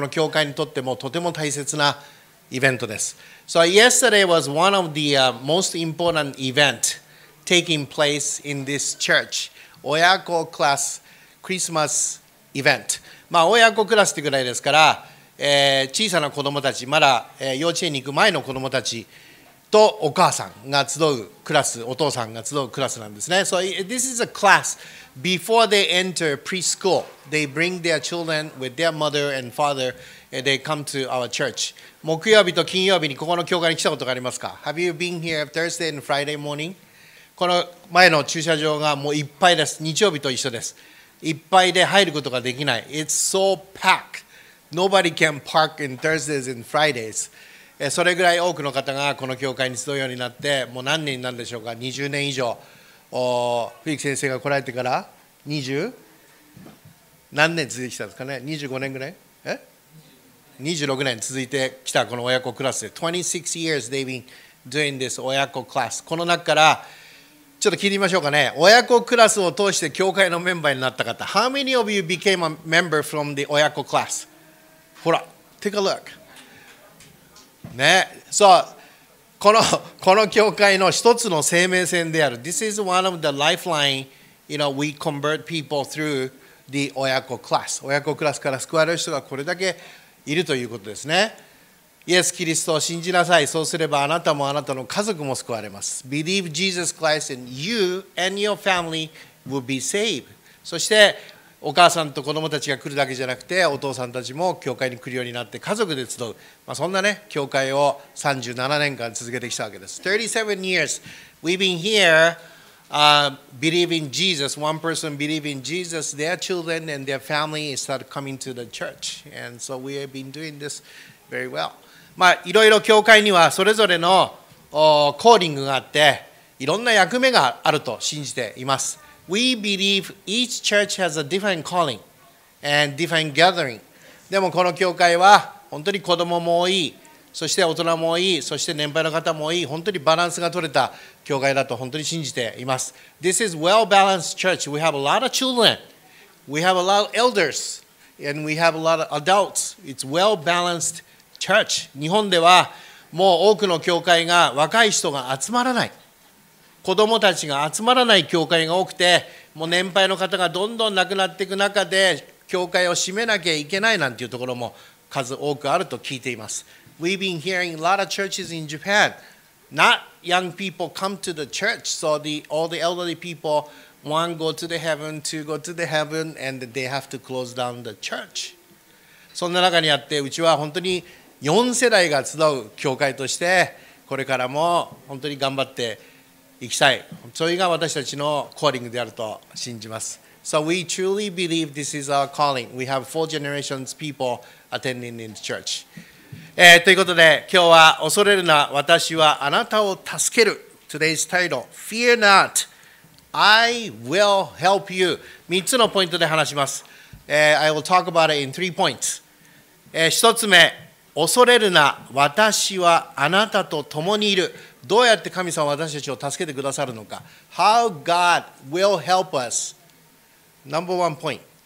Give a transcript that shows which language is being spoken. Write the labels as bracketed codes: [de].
[ja] この教会にとってもとても大切なイベントです。 [en] So yesterday was one of the、most important event taking place in this church. [ja] 親子クラスクリスマスイベント、まあ、親子クラスってぐらいですから、小さな子どもたちまだ、幼稚園に行く前の子どもたちとお母さんが集うクラスお父さんが集うクラスなんですね。 [en] So this is a class before they enter preschool. They bring their children with their mother and father and they come to our church. [ja] 木曜日と金曜日にここの教会に来たことがありますか？ [en] Have you been here Thursday and Friday morning? [ja] この前の駐車場がもういっぱいです。日曜日と一緒です。いっぱいで入ることができない。 [en] It's so packed. Nobody can park in Thursdays and Fridays. [ja] それぐらい多くの方がこの教会に集うようになって、もう何年なんでしょうか ?20 年以上。フィリク先生が来られてから何年続いてきたんですかね ?25 年ぐらい26年続いてきたこの親子クラスで。 [en] 26 years they've been doing this 親子クラス。 [ja] この中から、ちょっと聞いてみましょうかね。親子クラスを通して教会のメンバーになった方。 [en] How many of you became a member from the 親子クラス？ほら、take a look。 [ja] ね、そう、この教会の一つの生命線である。 [en] This is one of the lifeline, you know, we convert people through the 親子クラス。 [ja] 親子クラスから救われる人がこれだけいるということですね。イエス・キリストを信じなさい。そうすればあなたもあなたの家族も救われます。 [en] Believe Jesus Christ and you and your family will be saved. [ja] そしてお母さんと子供たちが来るだけじゃなくて、お父さんたちも教会に来るようになって家族で集う。まあ、そんなね、教会を37年間続けてきたわけです。 [en] 37 years we've been here、believing Jesus. One person believing Jesus, their children and their family started coming to the church. And so we have been doing this very well. [ja] まあ、いろいろ教会にはそれぞれのコーリングがあって、いろんな役目があると信じています。 [en] We believe each church has a different calling and different gathering. [ja] でもこの教会は本当に子供も多い、そして大人も多い、そして年配の方も多い、本当にバランスが取れた教会だと本当に信じています。 [en] This is well-balanced church. We have a lot of children. We have a lot of elders. And we have a lot of adults. It's well-balanced church. Church. [ja] 日本ではもう多くの教会が若い人が集まらない、子供たちが集まらない教会が多くて、もう年配の方がどんどん亡くなっていく中で教会を閉めなきゃいけないなんていうところも数多くあると聞いています。 [en] We've been hearing a lot of churches in Japan. Not young people come to the church. So all the elderly people, one go to the heaven, two go to the heaven, and they have to close down the church. [ja] そんな中にあって、うちは本当に4世代が集う教会として、これからも本当に頑張っていきたい。それが私たちのコーリングであると信じます。 [en] So we truly believe this is our calling. We have four generations people attending in the church. [ja] ということで、今日は恐れるな、私はあなたを助ける。 [en] Today's title: Fear not, I will help you. [ja] 3つのポイントで話します。 [en] I will talk about it in 3 points. [ja] 1つ目、恐れるな、私はあなたと共にいる。どうやって神様は私たちを助けてくださるのか。 [en] How God will help us. Number one point.